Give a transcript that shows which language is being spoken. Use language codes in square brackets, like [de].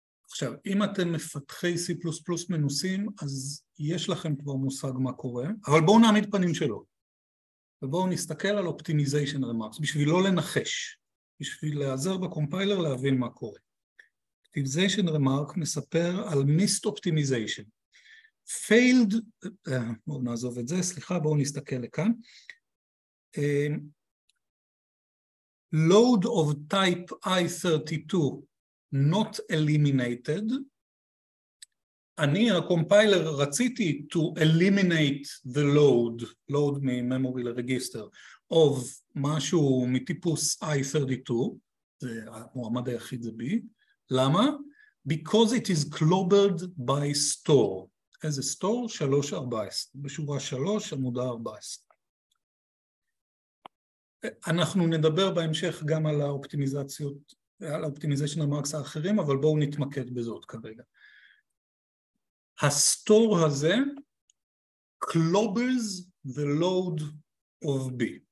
[he] עכשיו, אם אתם מפתחי C++ מנוסים, אז יש לכם כבר מושג מה קורה, אבל בואו נעמיד פנים שלו, ובואו נסתכל על optimization remarks, בשביל לא לנחש, בשביל לעזר בקומפיילר להבין מה קורה. [en] Optimization remark [he] מספר על [en] missed optimization. [he] Failed, בואו נעזוב את זה, סליחה, בואו נסתכל לכאן. [en] Load of type I32 not eliminated, [he] אני, הקומפיילר, רציתי [en] to eliminate the load, [he] load מממורי לרגיסטר, of משהו מטיפוס I32, זה המועמד היחיד זה בי, למה? [en] Because it is clobbered by store. [he] איזה store? 314, בשורה 3, עמודה 14. אנחנו נדבר בהמשך גם על האופטימיזציות, על האופטימיזיישן המרקס האחרים, אבל בואו נתמקד בזאת כרגע. הסטור הזה [en] clobbers the load of B.